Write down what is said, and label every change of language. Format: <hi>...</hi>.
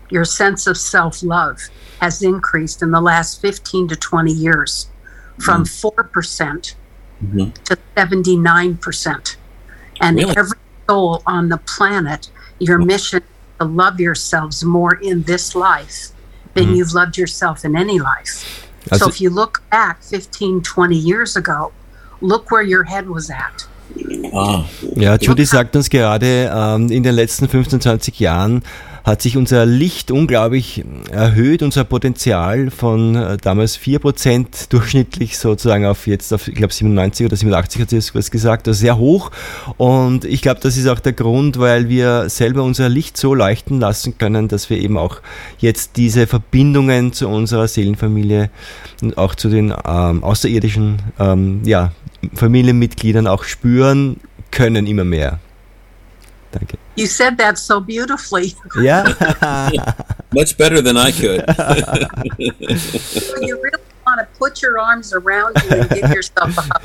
<en>Your sense of self-love has increased in the last 15 to 20 years from 4% to 79%. And really? Every soul on the planet, your mission is to love yourselves more in this life than you've loved yourself in any life. So if you look back 15, 20 years ago, look where your head was at.</en> <de>Ah. Ja, Judy sagt uns gerade, in den letzten 15, 20 Jahren hat sich unser Licht unglaublich erhöht, unser Potenzial von damals 4% durchschnittlich sozusagen auf jetzt, auf, ich glaube 97 oder 87 hat sie was gesagt, also sehr hoch. Und ich glaube, das ist auch der Grund, weil wir selber unser Licht so leuchten lassen können, dass wir eben auch jetzt diese Verbindungen zu unserer Seelenfamilie und auch zu den außerirdischen Familienmitgliedern auch spüren können immer mehr. Danke.</de> <en>You said that so beautifully. Yeah. Much better than I could. Well, you really want to put your arms around you and give yourself a hug.</en>